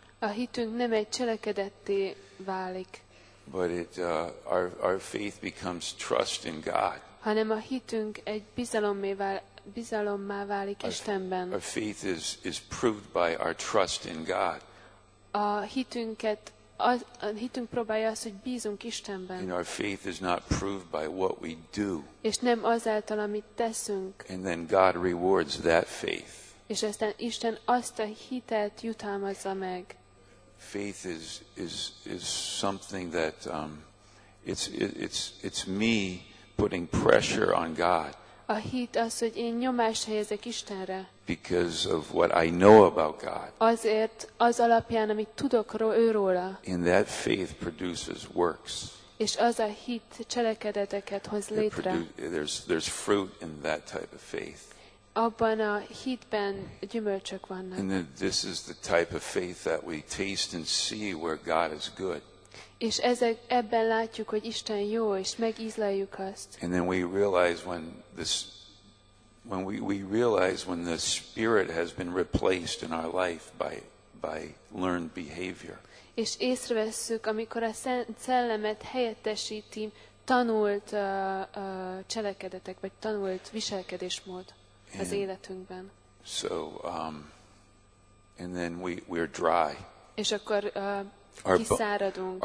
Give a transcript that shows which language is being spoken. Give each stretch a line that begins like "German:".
Hungarian: A hitünk nem egy cselekedetté válik.
English: But our faith becomes trust in God.
Hungarian: Hanem a hitünk egy bizalommá válik Istenben.
English: Our faith is proved by our trust in God.
Hungarian: A hitünk próbálja azt, hogy bízunk Istenben.
English: And our faith is not proved by what we do.
Hungarian: És nem azáltal, amit teszünk.
English: And then God rewards that faith.
Hungarian: És aztán Isten azt a hitet jutalmazza meg.
English: Faith is something that it's me putting pressure on God.
Hungarian: A hit az, hogy én nyomást helyezek Istenre.
English: Because of what I know about God.
Hungarian: Azért az alapján, amit tudok őróla.
English: And that faith produces works.
Hungarian: És az a hit cselekedeteket hoz létre.
English: There's fruit in that type of faith.
Hungarian: Abban a hitben gyümölcsök vannak.
English: And this is the type of faith that we taste and see where God is good.
Hungarian: És ebben látjuk, hogy Isten jó, és megízleljük azt.
English: And then we realize when the spirit has been replaced in our life by learned behavior.
Hungarian: És észrevesszük, amikor a szellemet helyettesíti tanult cselekedetek, vagy tanult viselkedésmód az életünkben.
English: So, and then we're dry.
Hungarian: És akkor kiszáradunk.